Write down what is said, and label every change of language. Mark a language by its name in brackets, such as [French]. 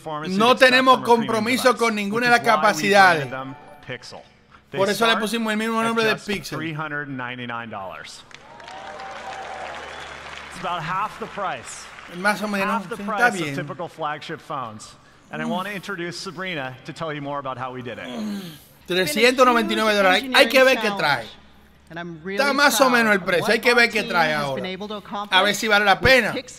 [Spanish] No tenemos compromiso con ninguna de las capacidades. Por eso le pusimos el mismo nombre de Pixel. [English] $399. It's about half the price. [Spanish] Más o menos, [English] half the price of typical flagship phones. And I want to introduce Sabrina to tell you more about how we did it. [Spanish] $399. Hay que ver qué trae. Está más o menos el precio, hay que ver qué trae ahora. A ver si vale la pena.